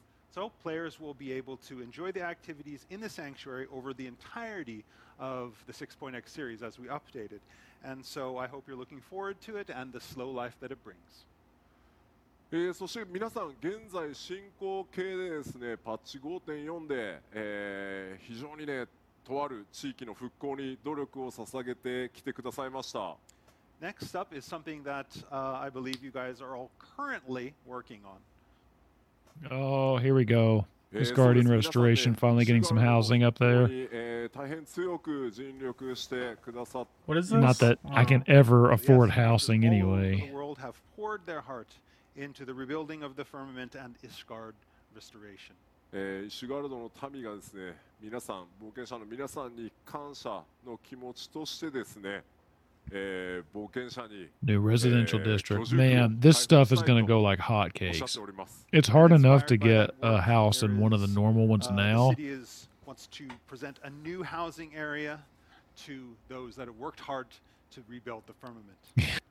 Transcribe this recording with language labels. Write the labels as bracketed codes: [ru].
[en] So players will be able to enjoy the activities in the sanctuary over the entirety of the 6.x series as we update it. And so I hope you're looking forward to it and the slow life that it brings. [ja] そして皆さん現在進行形でですね、パッチ 5.4 で、非常にね、とある地域の復興に努力を捧げてきてくださいました。 [en] Next up is something that I believe you guys are all currently working on. Oh, here we go. This Guardian Restoration finally getting some housing up there. What is this? Not that I can ever afford housing anyway. The world have poured their heart into the rebuilding of the firmament and Ishgard Restoration. [ja] Ishgard の民がですね、皆さん、冒険者の皆さんに感謝の気持ちとしてですね、 [en] new residential district. Man, this stuff is going to go like hotcakes. It's hard enough to get a house in one of the normal ones now. The city wants to present a new housing area to those that have worked hard to rebuild the firmament.